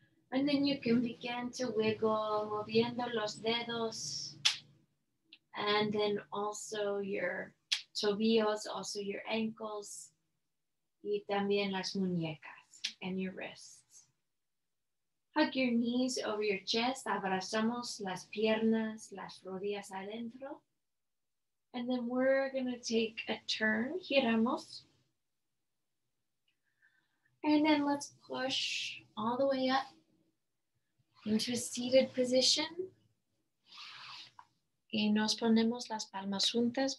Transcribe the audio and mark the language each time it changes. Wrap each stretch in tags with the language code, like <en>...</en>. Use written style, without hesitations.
<en>And then you can begin to wiggle,</en> <es>moviendo los dedos,</es> <en>and then also your tobillos, also your ankles.</en> <es>Y también las muñecas</es> <en>and your wrists. Hug your knees over your chest.</en> <es>Abrazamos las piernas, las rodillas adentro.</es> <en>And then we're going to take a turn.</en> <es>Giramos.</es> <en>And then let's push all the way up into a seated position.</en> <es>Y nos ponemos las palmas juntas.</es>